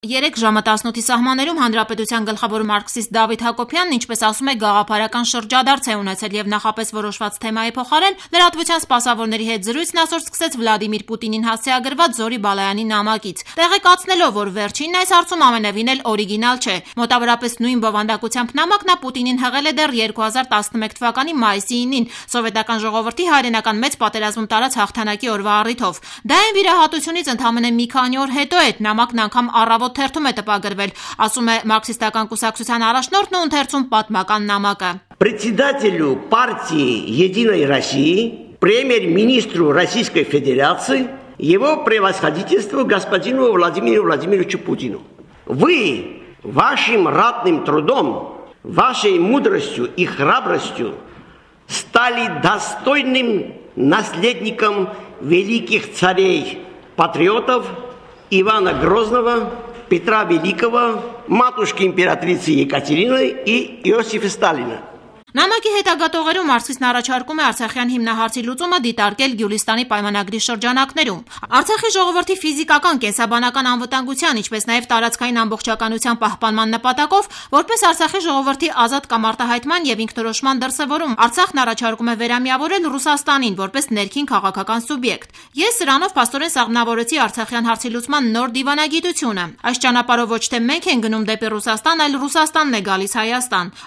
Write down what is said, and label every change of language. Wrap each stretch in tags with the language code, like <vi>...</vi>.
<hy>3 ժամը 18-ի սահմաններում Հանրապետության գլխավոր մարքսիստ Դավիթ Հակոբյանն, ինչպես ասում է, գաղափարական շրջադարձ է ունեցել եւ նախապես որոշված թեմայի փոխարեն լրատվության սպասավորների հետ զրույցն այսօր սկսեց Վլադիմիր Պուտինին հասցեագրված Զորի Բալայանի նամակից, տեղեկացնելով, որ վերջինն այս հարցում ամենևին էլ օրիգինալ չէ։ Մոտավորապես նույն բովանդակությամբ նամակն ա Պուտինին հղել է դեռ 2011 թվականի մայիսի 9-ին սովետական ժողովրդի հայրենական մեծ պատերազմում տարած հաղթանակի օրվա առիթով։ Դա այն վիրահատությունից ընդհանրապես մի քանի օր հետո է նամակն անգամ առավոտ թերթում է տպագրվել, ասում է մարքսիստական կուսակցության առաջնորդն ու ընթերցում պատմական նամակը։</hy> <ru>Председателю партии Единой России, премьер-министру Российской Федерации, его превосходительству господину Владимиру Владимировичу Путину. Вы вашим ратным трудом, вашей мудростью и храбростью стали достойным наследником великих царей, патриотов Ивана Грозного, Петра Великого, матушки императрицы Екатерины и Иосифа Сталина.</ru> <hy>Նամակի հետագա մարքսիստն առաջարկում է Արցախյան հիմնահարցի լուծումը դիտարկել Գյուլիստանի պայմանագրի շրջանակներում։ Արցախի ժողովրդի ֆիզիկական, կենսաբանական անվտանգության, ինչպես նաև տարածքային ամբողջականության պահպանման նպատակով, որպես Արցախի ժողովրդի ազատ կամ արտահայտման եւ ինքնորոշման դրսեւորում, Արցախն առաջարկում է վերամիավորել Ռուսաստանին որպես ներքին քաղաքական սուբյեկտ։ Ես սրանով փաստորեն սաղմնավորեցի Արցախյան հարցի լուծման նոր դիվանագիտությունը։ Այս ճանապարհով ոչ թե մենք ենք գնում դեպի Ռուսաստան, այլ Ռուսաստանն է գալիս Հայաստան։</hy>